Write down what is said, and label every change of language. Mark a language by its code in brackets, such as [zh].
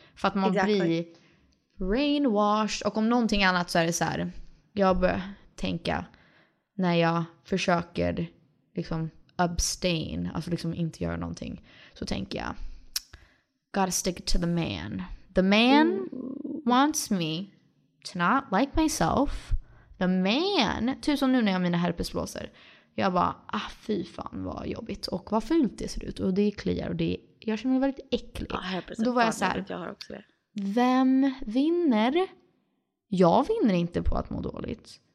[sv] För att man blir brainwashed. Och om någonting annat så är det så här... Jag bör tänka... När jag försöker liksom abstain, alltså liksom inte göra någonting, så tänker jag [en] gotta stick to the man. The man wants me to not like myself. [sv] The man, typ som nu när jag har mina herpesblåsor, jag bara, ah fy fan vad jobbigt och vad fult det ser ut och det kliar och det gör mig väldigt äcklig. Ja, herpes, då var jag så här, jag har också det. Vem vinner? Jag vinner inte på att må dåligt.